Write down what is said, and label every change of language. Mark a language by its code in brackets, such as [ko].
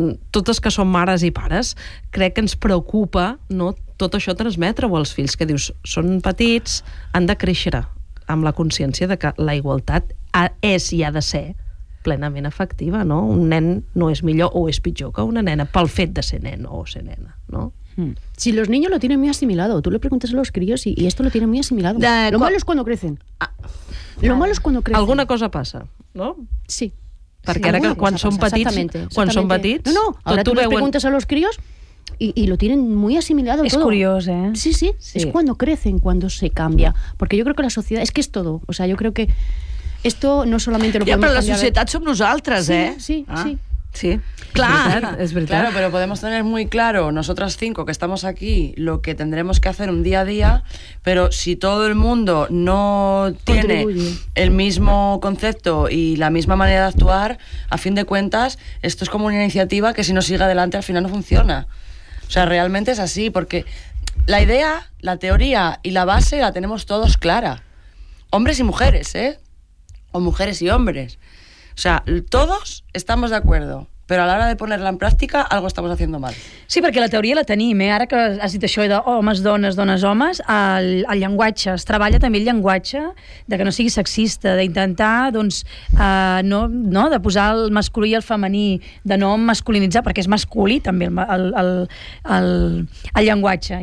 [ca] Totes que són mares i pares, crec que ens preocupa, no, tot això transmetre-ho als fills, que dius, són petits, han de créixer amb la consciència de que la igualtat és i ha de ser plenament efectiva, no? Un nen no és millor o és pitjor que una nena pel fet de ser nen o ser nena, no? [es] Si los niños lo tienen muy asimilado, tú le preguntas a los críos y esto lo tienen muy asimilado. Malo es cuando crecen. Lo malo es cuando crecen. Alguna cosa pasa, ¿no? Sí. Porque sí, ahora [ca] que quan són petits, quan són petits, [es] no, no, ahora tú le preguntas a los críos y lo tienen muy asimilado es todo. Es curioso, ¿eh? Sí, sí, sí, es cuando crecen, cuando se cambia, porque yo creo que la sociedad es que es todo, o sea, yo creo que esto no solamente lo podemos cambiar. Ya, pero la sociedad somos nosotras, ¿eh? Sí, sí. Ah. Sí, claro, es verdad. Claro, pero podemos tener muy claro, nosotras cinco que estamos aquí, lo que tendremos que hacer un día a día, pero si todo el mundo no tiene el mismo concepto y la misma manera de actuar, a fin de cuentas, esto es como una iniciativa que si no sigue adelante al final no funciona. O sea, realmente es así, porque la idea, la teoría y la base la tenemos todos clara. Hombres y mujeres, ¿eh? O mujeres y hombres. O sea, todos estamos de acuerdo, pero a la hora de ponerla en práctica algo estamos haciendo mal. [ca] Sí, perquè la teoria la tenim, eh? Ara que has dit això de homes, dones, dones, homes, el llenguatge, es treballa també el llenguatge de que no sigui sexista, d'intentar doncs, no, de posar el masculí i el femení, de no masculinitzar, perquè és masculí també el llenguatge.